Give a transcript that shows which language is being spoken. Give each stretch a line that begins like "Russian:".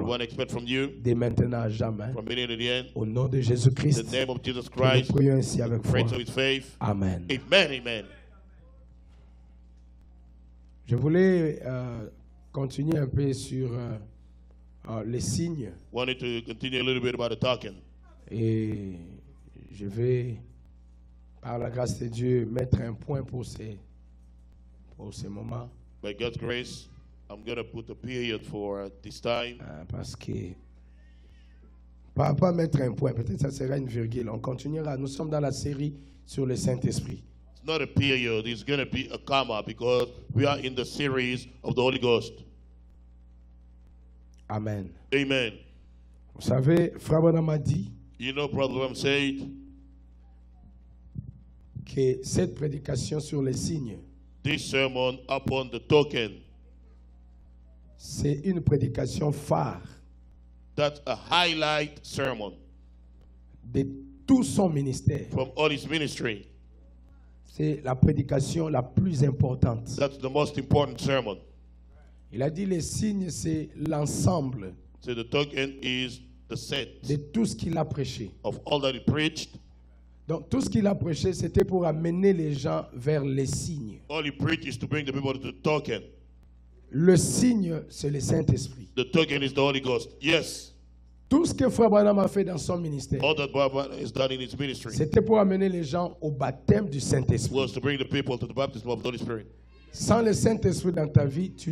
English: What we expect from you.
French: Dès maintenant à jamais.
English: From beginning to the end.
French: Au nom de Jésus-Christ.
English: In the name of Jesus Christ.
French: Que nous prions ainsi avec foi.
English: With faith. Amen. Amen. Amen.
French: Je voulais continuer un peu sur les signes.
English: Wanted to continue a little bit about the talking.
French: Et je vais, par la grâce de Dieu, mettre un point pour ce moment.
English: By God's grace, I'm going to put a period for this time.
French: Parce que, pas mettre un point, peut-être ça sera une virgule. On continuera. Nous sommes dans la série sur le Saint-Esprit.
English: Not a period, it's going to be a comma because we are in the series of the Holy Ghost. Amen. Amen.
French: Vous savez, Frère Branham a dit,
English: you know, Brother Branham said
French: que cette prédication sur les signes,
English: this sermon upon the token,
French: c'est une prédication phare.
English: That's a highlight sermon
French: de tout son ministère.
English: From all his ministry.
French: C'est la prédication la plus importante.
English: That's the most important sermon.
French: Il a dit les signes c'est l'ensemble.
English: So the token is the set.
French: De tout ce qu'il a prêché.
English: Of all that he preached.
French: Donc tout ce qu'il a prêché c'était pour amener les gens vers les signes.
English: All he preached is to bring the people to the token.
French: Le signe c'est le Saint-Esprit.
English: The token is the Holy Ghost. Yes.
French: Tout ce que Frère Branham a fait dans son ministère,
English: All that Branham has done in his ministry,
French: c'était pour amener les gens au baptême du Saint-Esprit.
English: Was to bring the people to the baptism of the Holy Spirit.
French: Sans le Saint-Esprit dans ta vie, tu